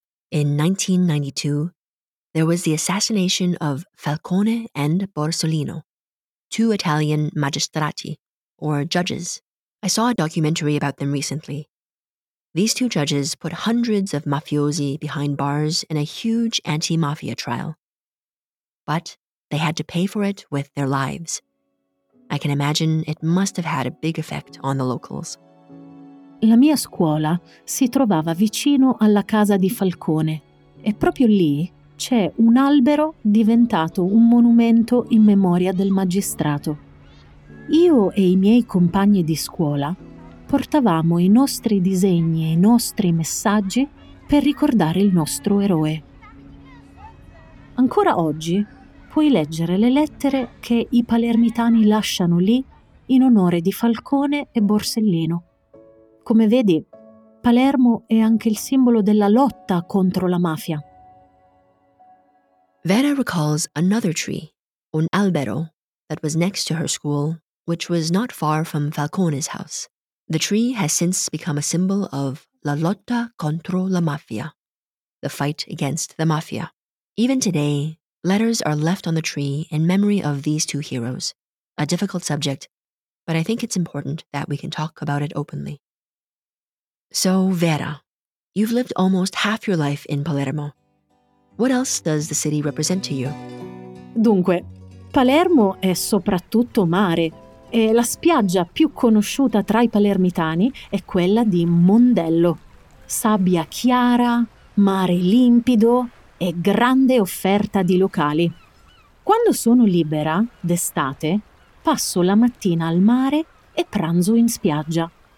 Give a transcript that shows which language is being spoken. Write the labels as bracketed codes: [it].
[en] In 1992, there was the assassination of Falcone and Borsellino, 2 Italian magistrati, or judges. I saw a documentary about them recently. These 2 judges put hundreds of mafiosi behind bars in a huge anti-mafia trial. But they had to pay for it with their lives. I can imagine it must have had a big effect on the locals. [it] La mia scuola si trovava vicino alla casa di Falcone e proprio lì c'è un albero diventato un monumento in memoria del magistrato. Io e i miei compagni di scuola portavamo i nostri disegni e i nostri messaggi per ricordare il nostro eroe. Ancora oggi puoi leggere le lettere che i palermitani lasciano lì in onore di Falcone e Borsellino. Come vedi, Palermo è anche il simbolo della lotta contro la mafia. [en] Vera recalls another tree, [it] un albero, [en] that was next to her school, which was not far from Falcone's house. The tree has since become a symbol of [it] la lotta contro la mafia, [en] the fight against the mafia. Even today, letters are left on the tree in memory of these 2 heroes, a difficult subject, but I think it's important that we can talk about it openly. So, Vera, you've lived almost half your life in Palermo. What else does the city represent to you? [it] Dunque, Palermo è soprattutto mare. E la spiaggia più conosciuta tra i palermitani è quella di Mondello. Sabbia chiara, mare limpido e grande offerta di locali. Quando sono libera, d'estate, passo la mattina al mare e pranzo in spiaggia.